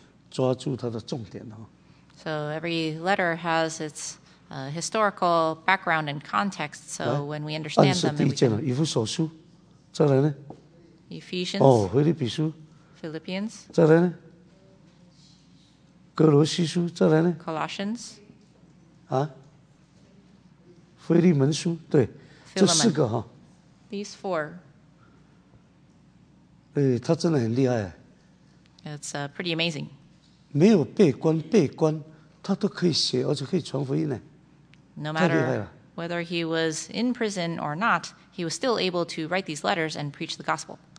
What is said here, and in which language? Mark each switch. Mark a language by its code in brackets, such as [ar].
[zh] 每一个经卷它都有它的背景啊，它的历史，了解一下以后，我们在看的时候就比较容易抓住它的重点哈。 [en] So every letter has its historical background and context. So when we understand them, [zh] 按是第一卷了，以弗所书，再来呢 [en] ？Ephesians. [zh] 哦，腓立比书。 [en] Philippians. [zh] 再来呢？哥罗西书，再来呢 [en] ？Colossians. 啊？ [zh] 腓立门书，对，这四个哈。 [en] These four. [zh] 哎，他真的很厉害。 [en] It's pretty amazing. [zh] 没有被关，他都可以写，而且可以传福音呢。 [en] No matter whether he was in prison or not, he was still able to write these letters and preach the gospel.